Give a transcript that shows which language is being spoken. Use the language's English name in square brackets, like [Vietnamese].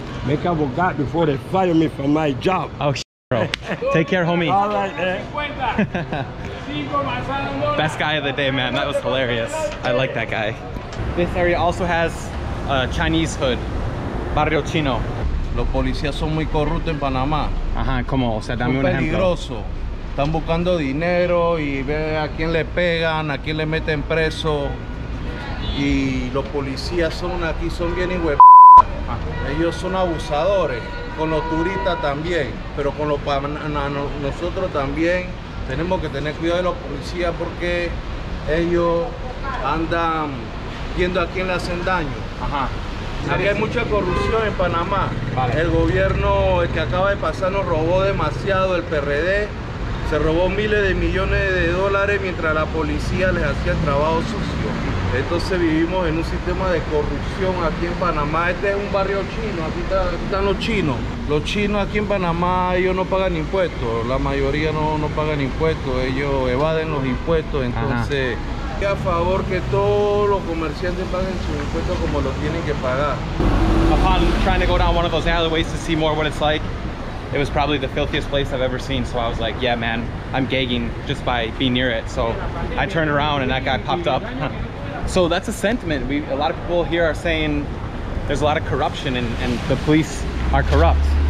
[English] Make up with God before they fire me from my job. Oh, bro. Take care, homie. All right, man. Best guy of the day, man. That was hilarious. I like that guy. This area also has a Chinese hood, Barrio Chino. [Spanish] Los policías son muy corruptos en Panamá. Ajá, como, o sea, dame un ejemplo. Peligroso. Están buscando dinero y ve a quién le pegan, a quién le meten preso. Y los policías son aquí, son bien hijos. Ellos son abusadores, con los turistas también, pero con los panamanos nosotros también tenemos que tener cuidado de los policías porque ellos andan viendo a quién le hacen daño. Ajá. Aquí hay mucha corrupción en Panamá. Vale. El gobierno, el que acaba de pasar, nos robó demasiado, el PRD, se robó miles de millones de dólares mientras la policía les hacía el trabajo sucio. Entonces vivimos en un sistema de corrupción aquí en Panamá. Este es un barrio chino, aquí están los chinos. Los chinos aquí en Panamá, ellos no pagan impuestos. La mayoría no pagan impuestos, ellos evaden los impuestos. Entonces, a favor que todos los comerciantes paguen sus impuestos como lo tienen que pagar. [English] Upon trying to go down one of those alleyways to see more what it's like, it was probably the filthiest place I've ever seen. So I was like, yeah, man, I'm gagging just by being near it. So I turned around and that guy popped up. So that's a sentiment. A lot of people here are saying there's a lot of corruption and the police are corrupt.